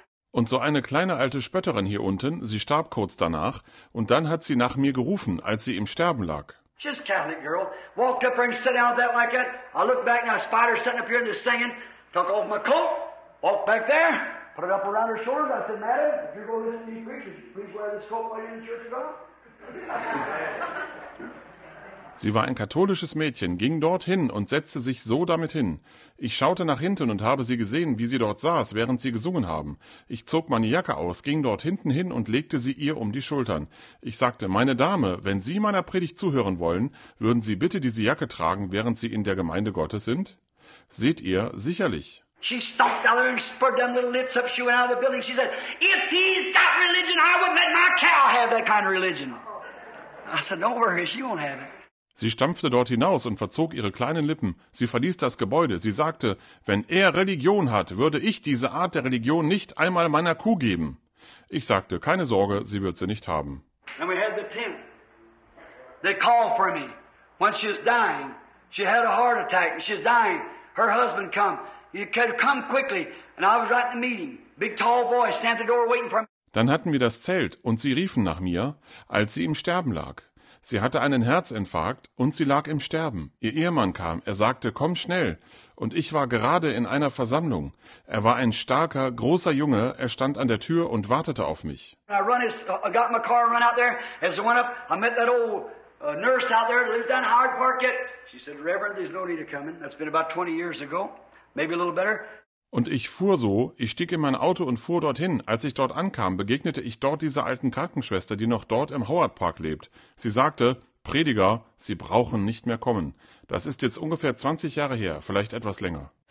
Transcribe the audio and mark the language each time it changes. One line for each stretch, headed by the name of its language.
German: Und so eine kleine alte Spötterin hier unten, sie starb kurz danach und dann hat sie nach mir gerufen, als sie im Sterben lag.
English: Just Catholic girl walked up there and sat down with that like that. I looked back and I spied her sitting up here and just singing. Took off my coat, walked back there, put it up around her shoulders. I said, "Madam, if you're going to listen to these preachers, please wear this coat while you're in church,
German: Sie war ein katholisches Mädchen, ging dorthin und setzte sich so damit hin. Ich schaute nach hinten und habe sie gesehen, wie sie dort saß, während sie gesungen haben. Ich zog meine Jacke aus, ging dort hinten hin und legte sie ihr um die Schultern. Ich sagte, meine Dame, wenn Sie meiner Predigt zuhören wollen, würden Sie bitte diese Jacke tragen, während Sie in der Gemeinde Gottes sind? Seht ihr, sicherlich.
English: She stomped out there and spurred them little lips up, she went out of the building. She said, if he's got religion, I wouldn't let my cow have that kind of religion. I said, don't worry, she won't have it.
German: Sie stampfte dort hinaus und verzog ihre kleinen Lippen. Sie verließ das Gebäude. Sie sagte, wenn er Religion hat, würde ich diese Art der Religion nicht einmal meiner Kuh geben. Ich sagte, keine Sorge, sie wird sie nicht haben.
English: And we had the tent. They called for me. When she was dying, she had a heart attack and she was dying. Her husband come. He could come quickly. And I was right in the meeting. Big tall boy stand at the door waiting for me.
German: Dann hatten wir das Zelt und sie riefen nach mir, als sie im Sterben lag. Sie hatte einen Herzinfarkt und sie lag im Sterben. Ihr Ehemann kam, er sagte, komm schnell. Und ich war gerade in einer Versammlung. Er war ein starker, großer Junge, er stand an der Tür und wartete auf mich.
English: I got my car and run out there. As I went up, I met that old nurse out there, lives down Hard Park yet. She said, Reverend, there's no need of coming. That's been about 20 years ago, maybe a little better.
German: Und ich fuhr so, ich stieg in mein Auto und fuhr dorthin. Als ich dort ankam, begegnete ich dort dieser alten Krankenschwester, die noch dort im Howard Park lebt. Sie sagte, Prediger, Sie brauchen nicht mehr kommen. Das ist jetzt ungefähr 20 Jahre her, vielleicht etwas länger.